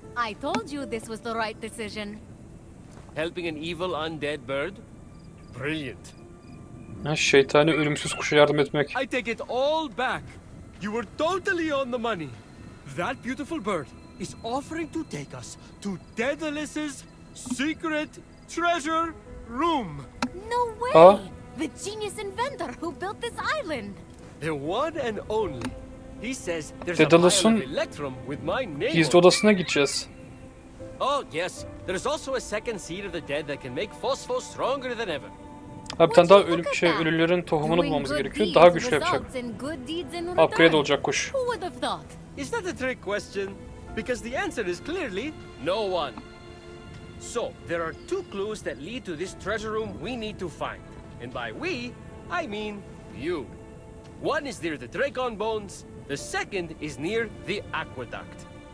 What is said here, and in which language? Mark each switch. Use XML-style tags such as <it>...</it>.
<en>I told you this was the right decision. Helping an evil undead bird? Brilliant.</en> <tr>Şeytani ölümsüz kuşa yardım etmek.</tr> <en>I take it all back. You were totally on the money. That beautiful bird is offering to take us to Daedalus's secret treasure room. No way! Huh? The genius inventor who built this island. The one and only. He says there's</en> <tr>Daedalus'un</tr> <en>a pile of electrum with my name.</en> <tr>Gizli odasına gideceğiz.</tr> <en>Oh yes, there's also a second seed of the dead that can make Phosphor stronger than ever.</en> <tr>Abi bir tane daha ölülerin tohumunu bulmamız gerekiyor. Daha güçlü yapacak. Upgrade olacak kuş.</tr> <en>Is that a trick question? Because the answer is clearly no one. So, there are two clues that lead to this treasure room we need to find. And by we, I mean you. One is near the Dracon bones, the second is near the aqueduct.</en>